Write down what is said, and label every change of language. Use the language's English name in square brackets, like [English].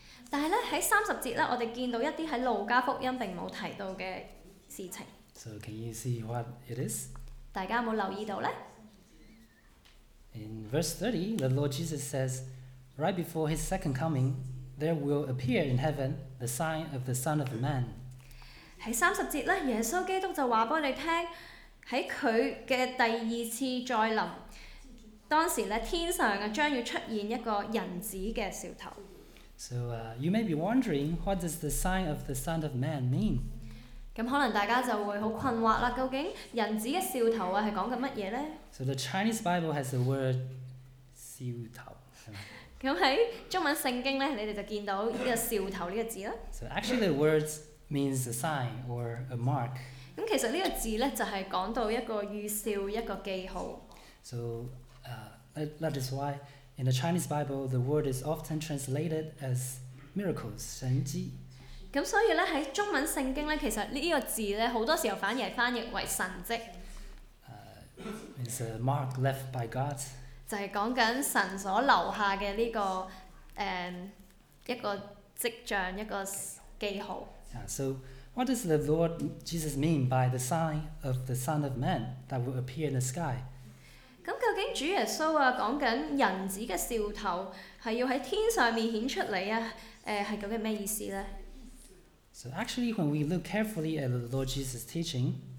[Cantonese] 但係咧喺30節咧，我哋見到一啲喺路加福音並冇提到嘅事情。 [English] So can you see what it is? [Cantonese] 大家有冇留意到咧 [English] ？In verse 30, the Lord Jesus says, right before His second coming, there will appear in heaven the sign of the Son of Man. [Cantonese] 喺30節咧，耶穌基督就話俾你聽，喺佢嘅第二次再臨，當時咧天上啊將要出現一個人子嘅兆頭。 [English] So you may be wondering, what does the sign of the Son of Man mean? [Cantonese] 咁可能大家就會好困惑啦。究竟人子嘅兆頭啊，係講緊乜嘢咧 [English] ？So the Chinese Bible has the word 兆頭。 [Cantonese] 咁喺中文聖經咧，你哋就見到呢個兆頭呢個字啦。 [English] So actually, the word means a sign or a mark. [Cantonese] 咁其實呢個字咧，就係講到一個預兆，一個記號。 [English] So that is why. In the Chinese Bible, the word is often translated as miracles, 神蹟。 [Cantonese] 咁所以咧喺中文聖經咧，其實呢個字咧好多時候反而係翻譯為神蹟。 [English] It's a mark left by God. [Cantonese] 就係講緊神所留下嘅呢個一個跡象，一個記號。 [English] Yeah, so what does the Lord Jesus mean by the sign of the Son of Man that will appear in the sky? [Cantonese] 咁究竟主耶穌啊講緊人子嘅兆頭係要喺天上面顯出嚟啊？係究竟咩意思咧 [English] ？So actually, when we look carefully at the Lord Jesus' teaching,